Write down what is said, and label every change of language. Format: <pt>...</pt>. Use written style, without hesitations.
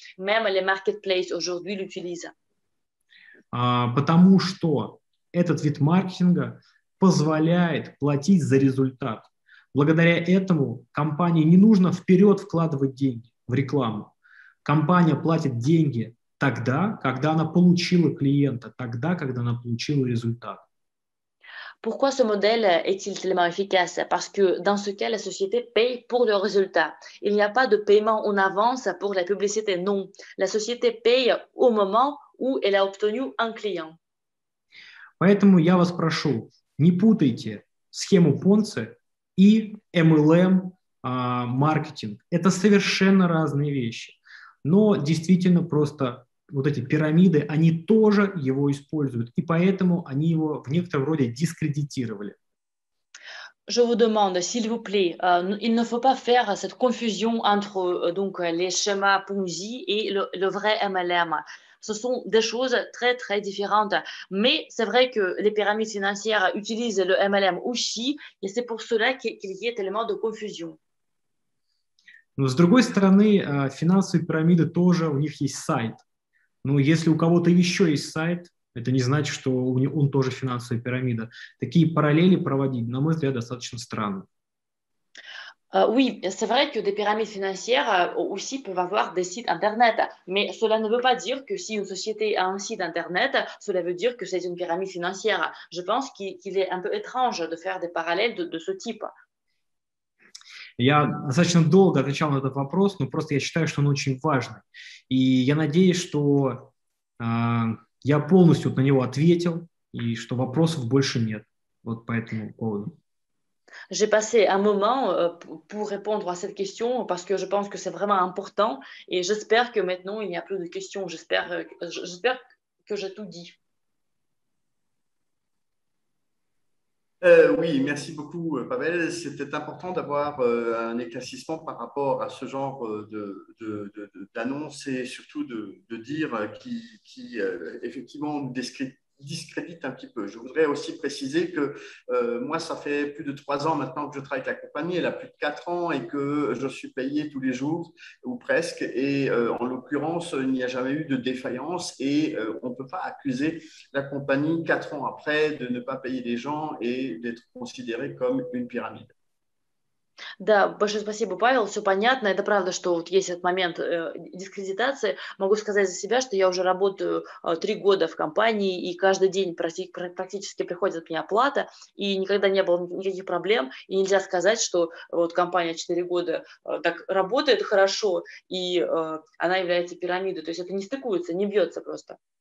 <fr>Même les marketplaces aujourd'hui l'utilisent.</fr> <ru>Потому что этот вид маркетинга позволяет платить за результат. Благодаря этому компании не нужно вперед вкладывать деньги в рекламу. Компания платит деньги тогда, когда она получила клиента, тогда, когда она получила результат.</ru> <fr>Pourquoi ce modèle est-il tellement efficace? Parce que dans ce cas, la société paye pour le résultat. Il n'y a pas de paiement en avance pour la publicité, non. La société paye au moment où elle a obtenu un client.</fr> <ru>Поэтому я вас прошу, не путайте схему Понци и MLM маркетинг. Это совершенно разные вещи. Но действительно просто вот эти пирамиды, они тоже его используют, и поэтому они его в некотором роде дискредитировали.</ru> <fr>Je vous demande, s'il vous plaît, il ne faut pas faire cette confusion entre donc les schémas Ponzi et le vrai MLM. ce sont des choses très, très différentes. Mais c'est vrai que les pyramides financières utilisent le MLM aussi, et c'est pour cela qu'il y a tellement de confusion.</fr> <ru>Но с другой стороны, финансовые пирамиды тоже, у них есть сайт. Но если у кого-то еще есть сайт, это не значит, что он тоже финансовая пирамида. Такие параллели проводить, на мой взгляд, достаточно странно.</ru> <fr>Oui, c'est vrai que des pyramides financières aussi peuvent avoir des sites Internet. Mais cela ne veut pas dire que si une société a un site Internet, cela veut dire que c'est une pyramide financière. Je pense qu'il est un peu étrange de faire des parallèles de ce type.</fr> <ru>Я достаточно долго отвечал на этот вопрос, но просто я считаю, что он очень важный. И я надеюсь, что я полностью на него ответил, и что вопросов больше нет вот по этому поводу.</ru> <fr>J'ai passé un moment pour répondre à cette question parce que je pense que c'est vraiment important et j'espère que maintenant il n'y a plus de questions. J'espère que j'ai tout dit. Oui, merci beaucoup, Pavel. C'était important d'avoir un éclaircissement par rapport à ce genre d'annonce et surtout de dire qui effectivement discrédite un petit peu. Je voudrais aussi préciser que moi, ça fait plus de 3 ans maintenant que je travaille avec la compagnie, elle a plus de 4 ans et que je suis payé tous les jours ou presque. Et en l'occurrence, il n'y a jamais eu de défaillance et on ne peut pas accuser la compagnie 4 ans après de ne pas payer les gens et d'être considéré comme une pyramide.</fr> <ru>Да, большое спасибо, Павел, все понятно, это правда, что вот есть этот момент дискредитации. Могу сказать за себя, что я уже работаю 3 года в компании, и каждый день практически приходит мне оплата, и никогда не было никаких проблем, и нельзя сказать, что вот компания 4 года так работает хорошо, и она является пирамидой, то есть это не стыкуется, не бьется просто.</ru>